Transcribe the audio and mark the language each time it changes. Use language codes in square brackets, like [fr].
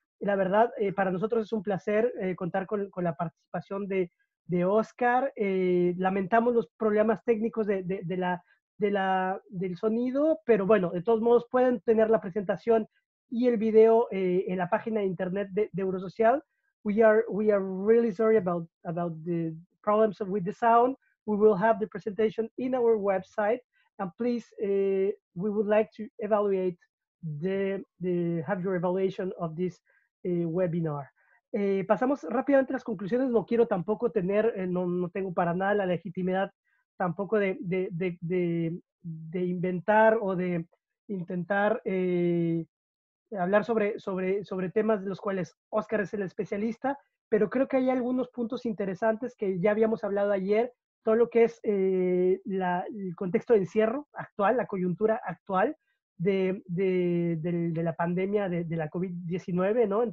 [es] La verdad, para nosotros es un placer contar con la participación de Oscar. Lamentamos los problemas técnicos del sonido, pero bueno, de todos modos pueden tener la presentación y el video en la página de internet de Eurosocial. [en] We are really sorry about the problems with the sound. We will have the presentation in our website, and please we would like to evaluate the have your evaluation of this webinar. [es] Pasamos rápidamente a las conclusiones. No quiero tampoco tener, no tengo para nada la legitimidad tampoco de inventar o de intentar hablar sobre temas de los cuales Oscar es el especialista, pero creo que hay algunos puntos interesantes que ya habíamos hablado ayer, todo lo que es el contexto de encierro actual, la coyuntura actual de la pandemia de la COVID-19, ¿no?